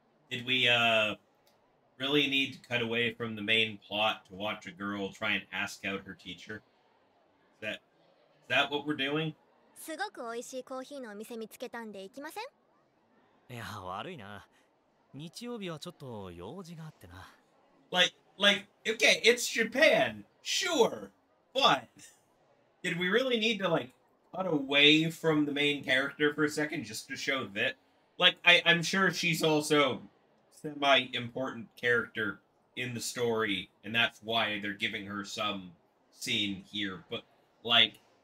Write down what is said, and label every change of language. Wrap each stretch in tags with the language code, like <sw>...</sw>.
<en>Did we really need to cut away from the main plot to watch a girl try and ask out her teacher? Is that what we're doing?</en> <ja>すごく美味しいコーヒーのお店見つけたんで行きません?いや、悪いな。日曜日はちょっと用事があってな。Like,</ja> <en>okay, it's Japan, sure, but did we really need to, like, cut away from the main character for a second just to show that? Like, I'm sure she's also semi-important character in the story, and that's why they're giving her some scene here, but, like,</en>